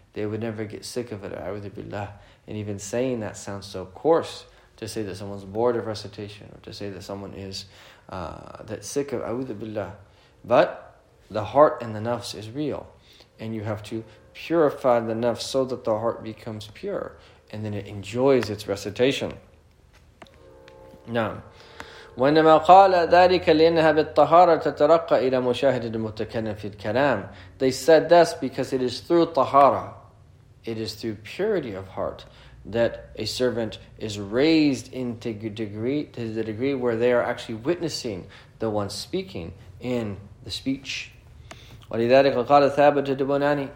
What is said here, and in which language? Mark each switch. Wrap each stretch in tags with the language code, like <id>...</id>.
<en>They would never get sick of it, a'udhu billah. And even saying that sounds so coarse, to say that someone's bored of recitation, or to say that someone is that sick of a'udhu billah. But the heart and the nafs is real. And you have to purify the nafs so that the heart becomes pure. And then it enjoys its recitation. Now,</en> <ar>وإنما قال ذلك لأنها بالطهارة تترقى إلى مشاهدة المتكلم في الكلام.</ar> <en>They said this because it is through tahara, it is through purity of heart, that a servant is raised into degree, to the degree where they are actually witnessing the one speaking in the speech.</en> <ar>ولذلك قال ثابت البناني.</ar>